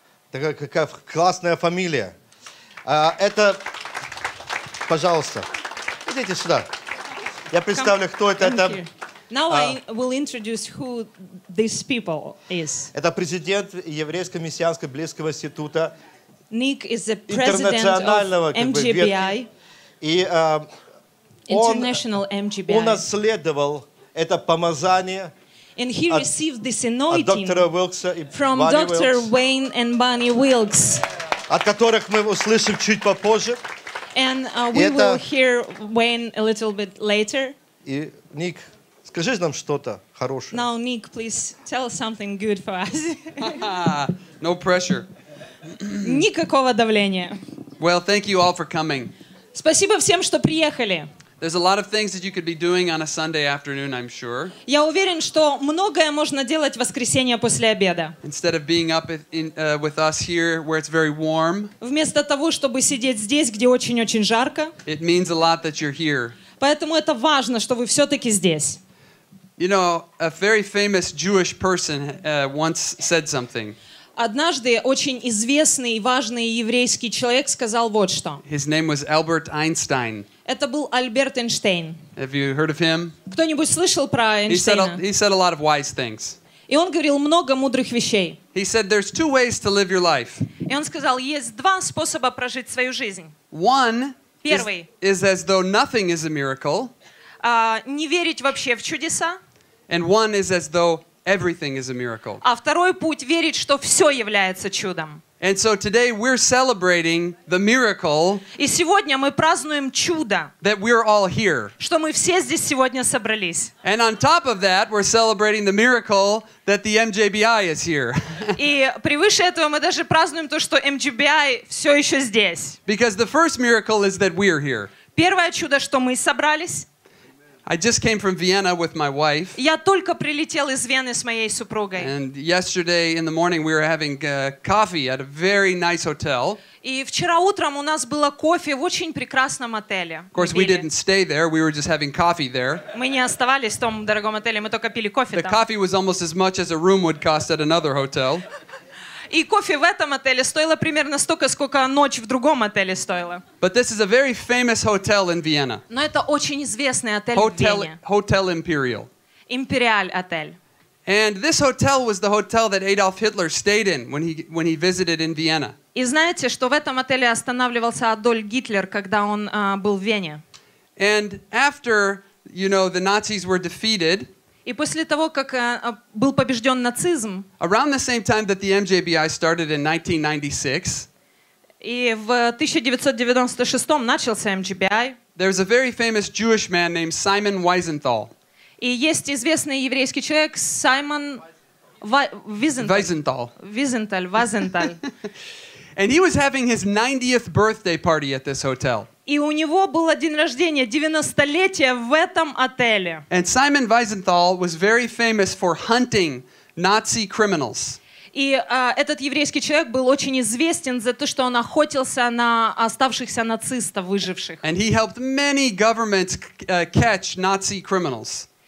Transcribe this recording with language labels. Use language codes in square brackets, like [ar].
[ru] Какая классная фамилия. Это, пожалуйста, идите сюда. Я представлю, кто это. Это [en] now I will introduce who these people is. [ru] Это президент Еврейского мессианского близкого института. [en] Nick is the president of MGBI. [ru] И [en] International MGBI. [ru] Он унаследовал это помазание. [en] And he received this anointing [ru] от доктора Уилкса и [en] from Bonnie Dr. Wilkes, Wayne and Bonnie Wilkes. [ru] От которых мы услышим чуть попозже. [en] And we это... will hear Wayne a little bit later. [ru] И Ник, скажи нам что-то хорошее. [en] Now Nick, please tell something good for us. No pressure. [ru] Никакого давления. [en] Well, thank you all for coming. [ru] Спасибо всем, что приехали. [en] There's a lot of things that you could be doing on a Sunday afternoon, I'm sure. [ru] Я уверен, что многое можно делать в воскресенье после обеда. [en] Instead of being up in, with us here, where it's very warm. [ru] Вместо того, чтобы сидеть здесь, где очень-очень жарко. [en] It means a lot that you're here. [ru] Поэтому это важно, что вы все-таки здесь. [en] You know, a very famous Jewish person once said something. [ru] Однажды очень известный и важный еврейский человек сказал вот что. [en] His name was Albert Einstein. [ru] Это был Альберт Эйнштейн. [en] Have you heard of him? [ru] Кто-нибудь слышал про Эйнштейна? [en] He said a lot of wise things. [ru] И он говорил много мудрых вещей. [en] He said there's two ways to live your life. [ru] И он сказал, есть два способа прожить свою жизнь. [en] One [ru] is [en] as though nothing is a miracle. [ru] Не верить вообще в чудеса. [en] And one is as though everything is a miracle. [ru] А второй путь — верить, что все является чудом. [en] And so today we're celebrating the miracle. [ru] И сегодня мы празднуем чудо. [en] That we're all here. [ru] Что мы все здесь сегодня собрались. [en] And on top of that, we're celebrating the miracle that the MGBI is here. [ru] И превыше этого мы даже празднуем то, что MGBI все еще здесь. [en] Because the first miracle is that we're here. [ru] Первое чудо, что мы собрались. [en] I just came from Vienna with my wife. [ru] Я только прилетел из Вены с моей супругой. [en] And yesterday in the morning we were having coffee at a very nice hotel. [ru] И вчера утром у нас было кофе в очень прекрасном отеле. [en] Of course, we didn't stay there. We were just having coffee there. [ru] Мы не оставались в том дорогом отеле, мы только пили кофе там. [en] The coffee was almost as much as a room would cost at another hotel. [ru] И кофе в этом отеле стоило примерно столько, сколько ночь в другом отеле стоила. [en] But this is a very famous hotel in Vienna. [ru] Но это очень известный отель в Вене. [en] Hotel Imperial. [ru] Империаль отель. [en] And this hotel was the hotel that Adolf Hitler stayed in when he visited in Vienna. [ru] И знаете, что в этом отеле останавливался Адольф Гитлер, когда он был в Вене? [en] And after, you know, the Nazis were defeated. [ru] И после того, как был побежден нацизм, [en] around the same time that the MGBI started in 1996, [ru] и в 1996 начался MGBI, [en] there's a very famous Jewish man named Simon Wiesenthal. [ru] И есть известный еврейский человек Саймон [en] Wiesenthal. Wiesenthal. And he was having his 90th birthday party at this hotel. [ru] И у него было день рождения, 90-летие в этом отеле. [en] And Simon Wiesenthal was very famous for hunting Nazi criminals. [ru] И этот еврейский человек был очень известен за то, что он охотился на оставшихся нацистов, выживших. [en] And he helped many governments catch Nazi criminals.